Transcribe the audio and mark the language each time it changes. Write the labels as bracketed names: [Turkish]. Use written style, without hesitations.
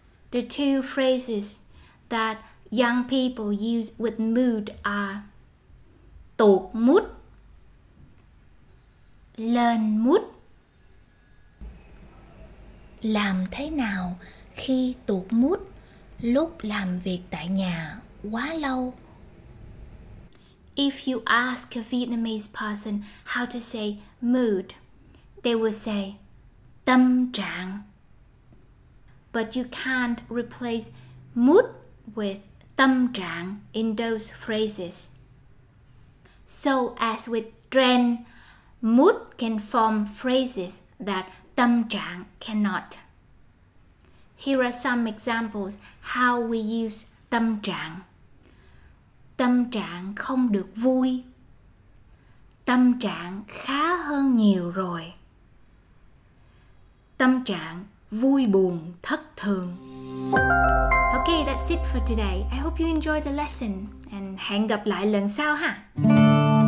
[English] The two phrases that young people use with mood are tột mood, lên mood. [Vietnamese] Làm thế nào khi tột mood lúc làm việc tại nhà quá lâu? [English] If you ask a Vietnamese person how to say mood, they will say tâm trạng. But you can't replace mood with tâm trạng in those phrases. So as with trend, mood can form phrases that tâm trạng cannot. Here are some examples how we use tâm trạng. [Vietnamese] Tâm trạng không được vui. Tâm trạng khá hơn nhiều rồi. Tâm trạng vui buồn thất thường. [English] Okay, that's it for today. I hope you enjoyed the lesson and [Vietnamese] hẹn gặp lại lần sau ha.